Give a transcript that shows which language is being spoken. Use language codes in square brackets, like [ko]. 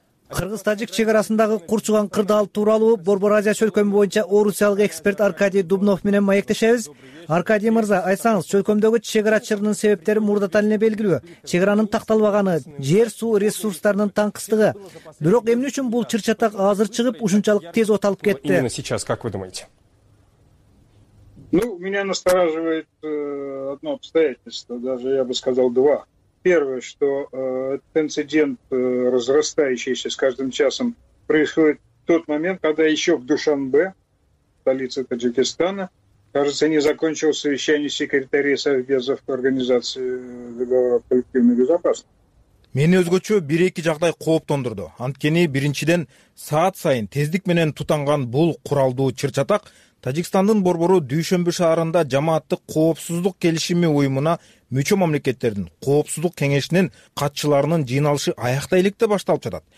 [ky] Кыргыз тажик чек арасындагы курчуган кырдаал тууралуу Борбор Азия чөлкөмү боюнча орусиялык эксперт Аркадий Дубнов менен маектешебиз. Аркадий мырза, айтсаңыз, чөлкөмдөгү чек ара чырынын себептери мурдатан эле белгилүү. Чек аранын такталбаганы, жер суу ресурстарынын таңкыстыгы. Бирок эмне үчүн бул чыр чатак азыр чыгып ушунчалык тез оталып кетти? [ru] Именно сейчас, как вы думаете? Ну, меня настораживает одно обстоятельство, даже я бы сказал два. Первое, что этот инцидент, разрастающийся с каждым часом, происходит в тот момент, когда еще в Душанбе, столице Таджикистана, кажется, не закончилось совещание секретарей совбезов организации договора о коллективной безопасности. [ky] Мени өзгөчө 1-2 жагдай кооптондурду. Анткени биринчиден саат сайын тездик менен тутанган бул куралдуу чыр чатак Тажикстандын борбору Дүйшөмбү шаарында жамааттык коопсуздук келишими уюмуна мүчө мамлекеттердин коопсуздук кеңешинин катчыларынын жыйналышы аякта электе башталып жатат.